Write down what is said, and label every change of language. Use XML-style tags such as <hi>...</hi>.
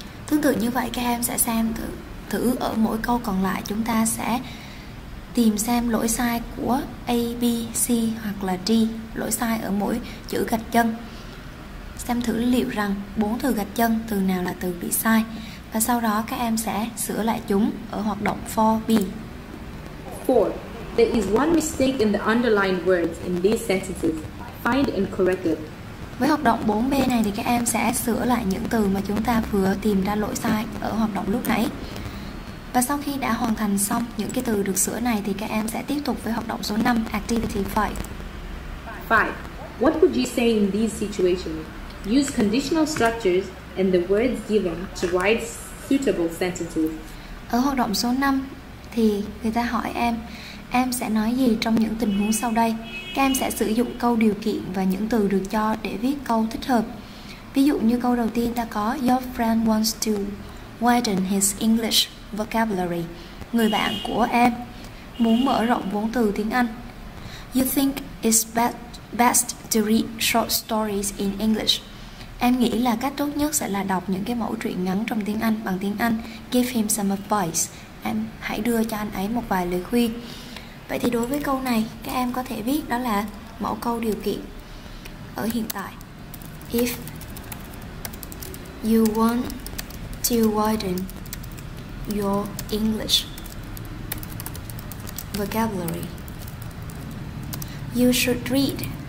<vi>Tương tự như vậy, các em sẽ xem thử ở mỗi câu còn lại, chúng ta sẽ tìm xem lỗi sai của A, B, C hoặc là D, lỗi sai ở mỗi chữ gạch chân. Xem thử liệu rằng bốn từ gạch chân, từ nào là từ bị sai. Và sau đó các em sẽ sửa lại chúng ở hoạt động 4B.</vi> <en>4. There is one mistake in the underlined words in these sentences. Find and correct it.</en> <vi>Với hoạt động 4B này thì các em sẽ sửa lại những từ mà chúng ta vừa tìm ra lỗi sai ở hoạt động lúc nãy. Và sau khi đã hoàn thành xong những cái từ được sửa này thì các em sẽ tiếp tục với hoạt động số 5, activity 5.</vi> <en>5. What would you say in these situations? Use conditional structures and the words given to write suitable sentences.</en> <vi>Ở hoạt động số 5 thì người ta hỏi em sẽ nói gì trong những tình huống sau đây? Các em sẽ sử dụng câu điều kiện và những từ được cho để viết câu thích hợp. Ví dụ như câu đầu tiên ta có</vi> <en>Your friend wants to widen his English vocabulary.</en> <vi>Người bạn của em muốn mở rộng vốn từ tiếng Anh.</vi> <en>You think it's best to read short stories in English.</en> <vi>Em nghĩ là cách tốt nhất sẽ là đọc những cái mẫu truyện ngắn trong tiếng Anh bằng tiếng Anh.</vi> <en>Give him some advice.</en> <vi>Em hãy đưa cho anh ấy một vài lời khuyên. Vậy thì đối với câu này, các em có thể viết đó là mẫu câu điều kiện ở hiện tại.</vi> <en>If you want to widen your English vocabulary, you should read.</en>